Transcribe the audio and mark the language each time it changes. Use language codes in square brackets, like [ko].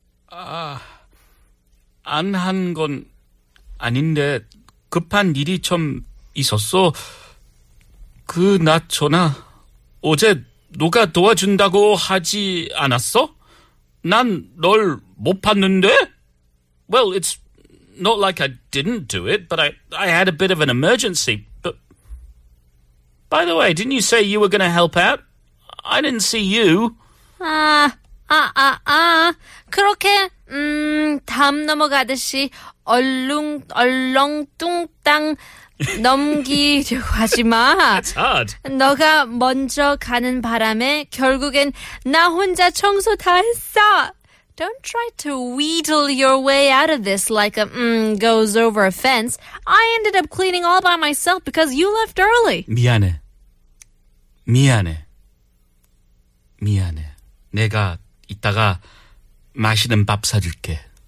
[ko] 안 한 건 아닌데 급한 일이 좀 있었어. 그 나 전화 어제 누가 도와준다고 하지 않았어? 난 널 못 봤는데? [en] Well, it's not like I didn't do it, but I had a bit of an emergency. By the way, didn't you say you were going to help out? I didn't see you. [ko] 그렇게 담 넘어가듯이 얼렁뚱땅 넘기려고 하지 마. [en] It's hard. [ko] 너가 먼저 가는 바람에 결국엔 나 혼자 청소 다 했어. [en] Don't try to wheedle your way out of this like a goes over a fence. I ended up cleaning all by myself because you left early. [ko] 미안해. 미안해. 미안해. 내가 이따가 맛있는 밥 사줄게.